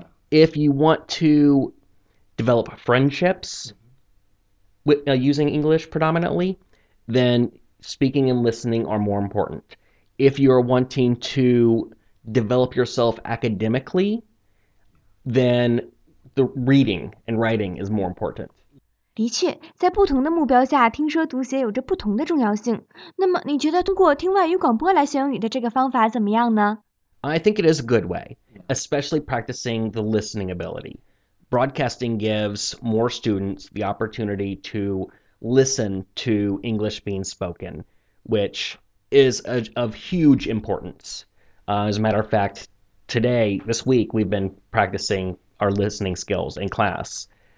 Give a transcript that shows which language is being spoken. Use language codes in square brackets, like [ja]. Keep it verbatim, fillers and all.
[en] If you want to develop friendships with, uh, using English predominantly, then speaking and listening are more important. If you're wanting to develop yourself academically, then the reading and writing is more important. [zh] 的确，在不同的目标下，听说读写有着不同的重要性。那么，你觉得通过听外语广播来学英语的这个方法怎么样呢？ [en] I think it is a good way, especially practicing the listening ability. Broadcasting gives more students the opportunity to listen to English being spoken, which is a, of huge importance. Uh, as a matter of fact, today, this week, we've been practicing our listening skills in class.